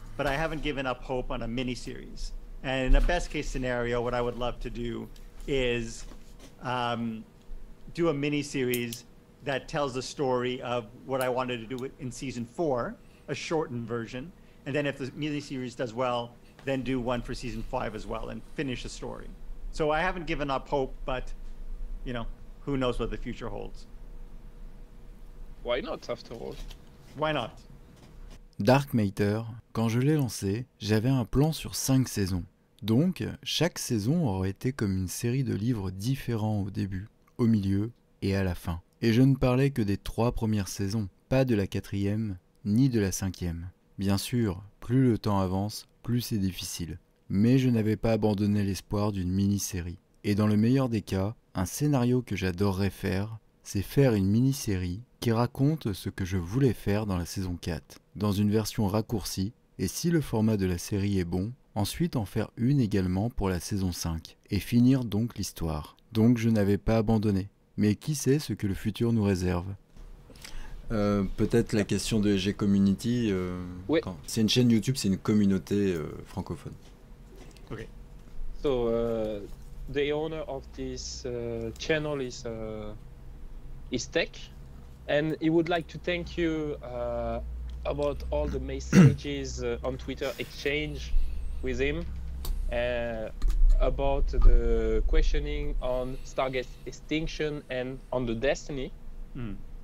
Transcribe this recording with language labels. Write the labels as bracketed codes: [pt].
[en] But I haven't given up hope on a mini series. And in a best case scenario, what I would love to do is do a mini series that tells the story of what I wanted to do in season 4, a shortened version. And then if the mini series does well, then do one for season 5 as well and finish the story. So I haven't given up hope, but who knows what the future holds. Why not, after all? Why not? [fr] Dark Matter, quand je l'ai lancé, j'avais un plan sur 5 saisons. Donc, chaque saison aurait été comme une série de livres différents au début, au milieu et à la fin. Et je ne parlais que des 3 premières saisons, pas de la 4e ni de la 5e. Bien sûr, plus le temps avance, plus c'est difficile. Mais je n'avais pas abandonné l'espoir d'une mini-série. Et dans le meilleur des cas, un scénario que j'adorerais faire, c'est faire une mini-série qui raconte ce que je voulais faire dans la saison 4, dans une version raccourcie, et si le format de la série est bon, ensuite en faire une également pour la saison 5, et finir donc l'histoire. Donc je n'avais pas abandonné. Mais qui sait ce que le futur nous réserve ? Peut-être la question de SGCommunity. Oui. Quand... C'est une chaîne YouTube, c'est une communauté francophone. Ok. [en] So, the owner of this channel is Tech, and he would like to thank you about all the messages on Twitter exchange with him about the questioning on Stargate extinction and on the destiny. Mm.